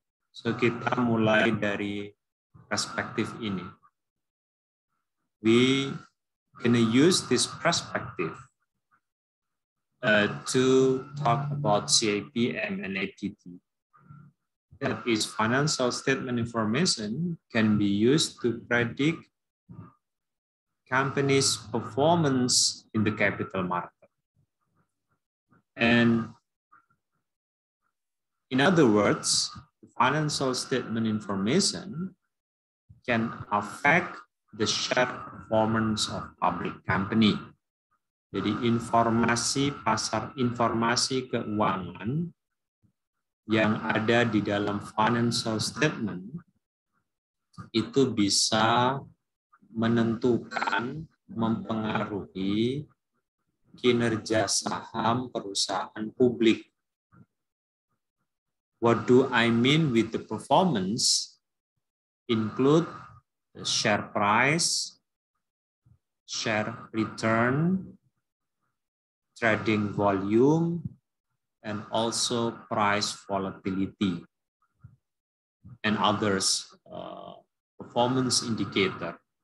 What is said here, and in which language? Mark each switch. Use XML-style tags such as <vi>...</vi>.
<id>So kita mulai dari perspektif ini.</id> <en>We gonna use this perspective to talk about CIPM and APT. That is financial statement information can be used to predict company's performance in the capital market. And in other words, financial statement information can affect the share performance of public company.</en> <id>Jadi informasi pasar, informasi keuangan yang ada di dalam financial statement itu bisa menentukan, mempengaruhi kinerja saham perusahaan publik.</id> <en>What do I mean with the performance? Include the share price, share return, trading volume, and also price volatility, and others performance indicator.</en>